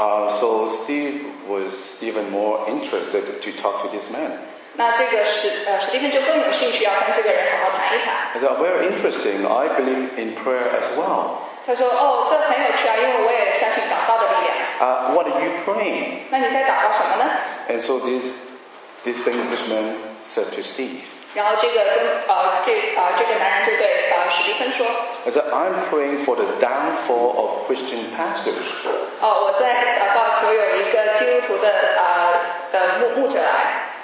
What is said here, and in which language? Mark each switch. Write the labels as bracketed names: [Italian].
[English] So Steve was even more interested to talk to this man. [Chinese] 那这个史蒂芬就更有兴趣要跟这个人好好谈一谈。 [English] I said, very interesting. I believe in prayer as well. [Chinese] 他说哦，这很有趣啊，因为我也相信祷告的力量。 [English] What are you praying? [Chinese] 那你在祷告什么呢？ [English] And so this distinguished man said to Steve. [Chinese] 然后这个男人就对史蒂芬说。 [English] I said, I'm praying for the downfall of Christian pastors. [Chinese] 我在祷告求有一个基督徒的牧者来。